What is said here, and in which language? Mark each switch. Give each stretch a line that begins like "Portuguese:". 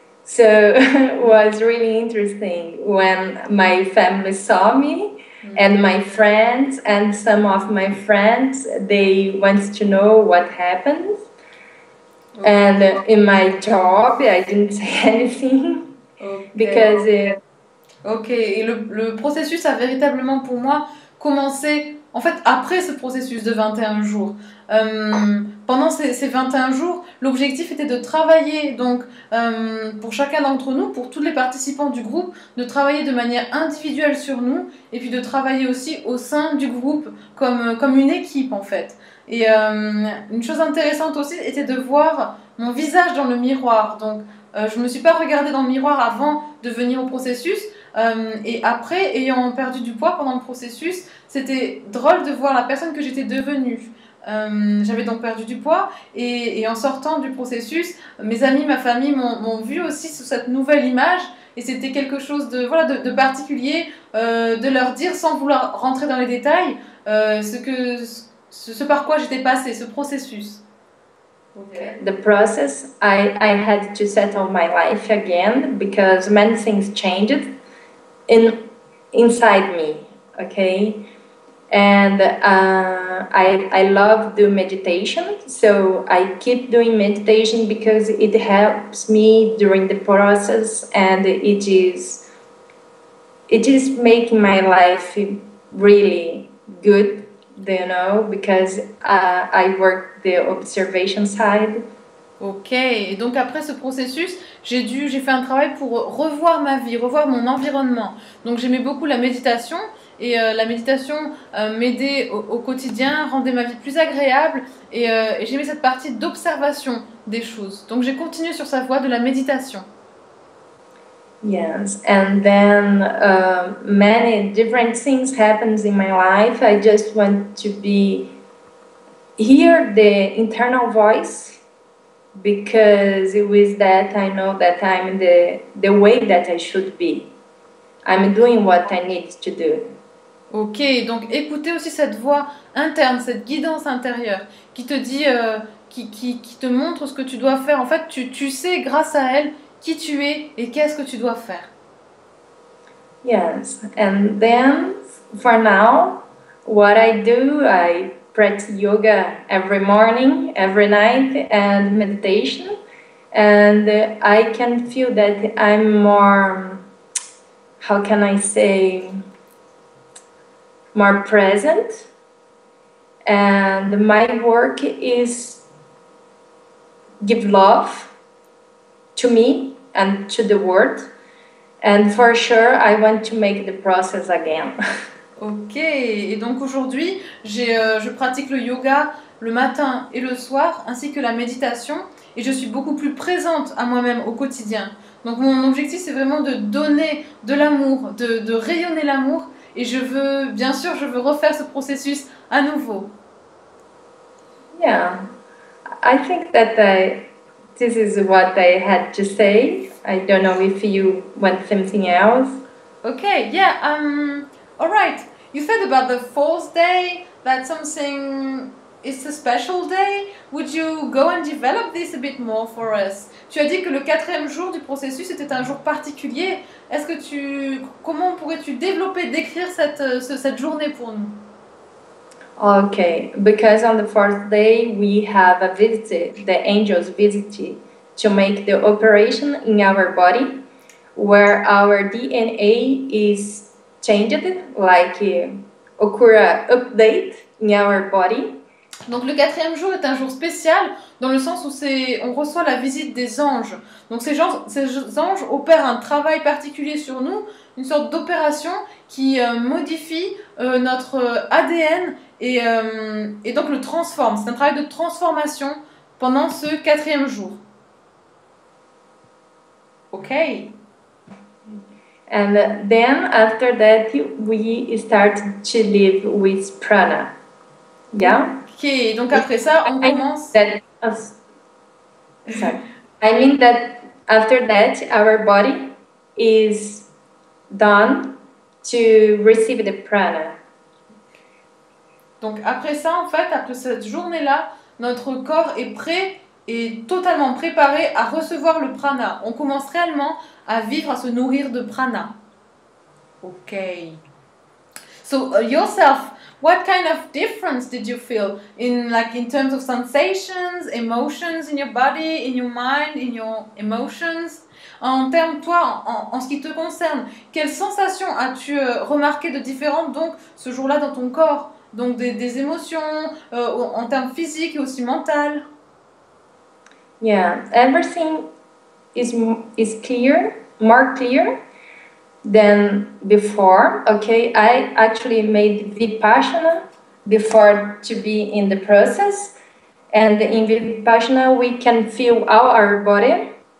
English: So it was really interesting when my family saw me and my friends and some of my friends, they want to know what happened. And in my job, I didn't say anything because...
French: Ok, et le processus a véritablement pour moi commencé, en fait, après ce processus de 21 jours. Pendant ces 21 jours, l'objectif était de travailler, donc, pour chacun d'entre nous, pour tous les participants du groupe, de travailler de manière individuelle sur nous, et puis de travailler aussi au sein du groupe, comme une équipe, en fait. Et une chose intéressante aussi était de voir mon visage dans le miroir. Donc, je ne me suis pas regardée dans le miroir avant de venir au processus, et après, ayant perdu du poids pendant le processus, c'était drôle de voir la personne que j'étais devenue. J'avais donc perdu du poids et en sortant du processus, mes amis, ma famille m'ont vu aussi sous cette nouvelle image et c'était quelque chose de, voilà, de particulier de leur dire sans vouloir rentrer dans les détails ce par quoi j'étais passée, ce processus. Okay.
English: The process, I had to settle my life again because many things changed inside me, okay? And I love do meditation, so I keep doing meditation because it helps me during the process and it is making my life really good, you know, because I work the observation side.
French: Ok, et donc après ce processus, j'ai fait un travail pour revoir ma vie, revoir mon environnement. Donc j'aimais beaucoup la méditation, et la méditation m'aidait au quotidien, rendait ma vie plus agréable, et j'aimais cette partie d'observation des choses. Donc j'ai continué sur sa voie de la méditation.
English: Yes, and then many different things happens in my life. I just want to be hear the internal voice. Because with that, I know that I'm the way that I should be. I'm doing what I need to do.
French: Ok, donc écoutez aussi cette voix interne, cette guidance intérieure qui te dit, qui te montre ce que tu dois faire. En fait, tu sais grâce à elle qui tu es et qu'est-ce que tu dois faire.
English: Yes, and then for now, what I do, I practice yoga every morning, every night, and meditation. And I can feel that I'm more, how can I say, more present. And my work is give love to me and to the world. And for sure, I want to make the process again.
French: Ok, et donc aujourd'hui, je pratique le yoga le matin et le soir, ainsi que la méditation, et je suis beaucoup plus présente à moi-même au quotidien. Donc mon objectif, c'est vraiment de donner de l'amour, de rayonner l'amour, et je veux, bien sûr, je veux refaire ce processus à nouveau.
English: Yeah, I think that this is what I had to say. I don't know if you want something else. Ok, yeah, all right, you said about the fourth day, that something is a special day. Would you go and develop this a bit more for us?
French: Tu as dit que le quatrième jour du processus était un jour particulier. Est-ce que comment pourrais-tu développer, décrire cette journée pour nous?
English: Okay, because on the fourth day, we have a visit, the angels visit to make the operation in our body, where our DNA is changed, like occur an update in our body.
French: Donc le quatrième jour est un jour spécial dans le sens où on reçoit la visite des anges. Donc ces anges opèrent un travail particulier sur nous, une sorte d'opération qui modifie notre ADN et donc le transforme. C'est un travail de transformation pendant ce quatrième jour. Ok.
English: And then after that we start to live with prana. Yeah?
French: Okay, donc après ça on commence.
English: I mean that after that our body is done to receive the prana.
French: Donc après ça en fait, après cette journée-là, notre corps est prêt et totalement préparé à recevoir le prana. On commence réellement à vivre, à se nourrir de prana. Okay.
English: So yourself, what kind of difference did you feel in, like, in terms of sensations, emotions in your body, in your mind, in your emotions?
French: En termes, toi, en ce qui te concerne, quelles sensations as-tu remarquées de différentes, donc, ce jour-là dans ton corps? Donc, des émotions, en termes physiques et aussi mentales.
English: Yeah, everything is clear, more clear than before. Okay, I actually made Vipassana before to be in the process. And in Vipassana, we can feel all our body.